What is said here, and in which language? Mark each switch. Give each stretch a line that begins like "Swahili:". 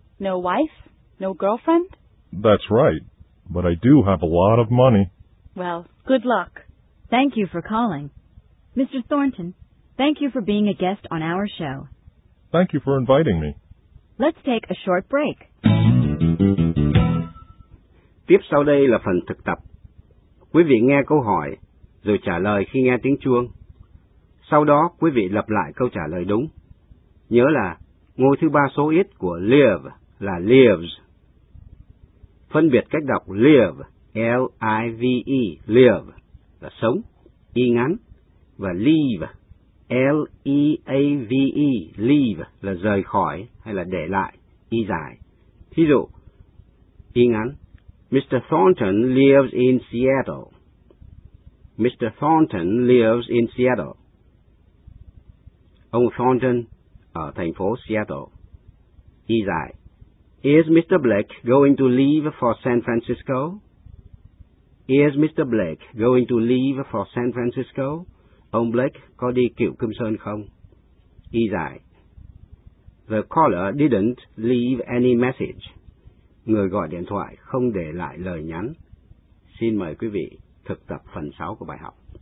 English: No wife? No girlfriend? That's right. But I do have a lot of money. Well, good luck. Thank you for calling. Mr. Thornton, thank you for being a guest on our show. Thank you for inviting me. Let's take a short break.
Vietnamese: Tiếp sau đây là phần thực tập. Quý vị nghe câu hỏi, rồi trả lời khi nghe tiếng chuông. Sau đó, quý vị lặp lại câu trả lời đúng. Nhớ là ngôi thứ ba số ít của live là lives. Phân biệt cách đọc live, L-I-V-E, live, là sống, y ngắn, và leave, L-E-A-V-E, leave, là rời khỏi hay là để lại, y dài. Thí dụ, y ngắn, Mr.
English: Thornton lives in Seattle. Mr. Thornton lives in Seattle.
Vietnamese: Ông Thornton ở thành phố Seattle. Y dài. Is Mr.
English: Blake going to leave for San Francisco? Is Mr. Blake going to leave for San Francisco?
Vietnamese: Ông Blake có đi Cựu Kim Sơn không? Y dài.
English: The caller didn't leave any message.
Vietnamese: Người gọi điện thoại không để lại lời nhắn. Xin mời quý vị thực tập phần 6 của bài học.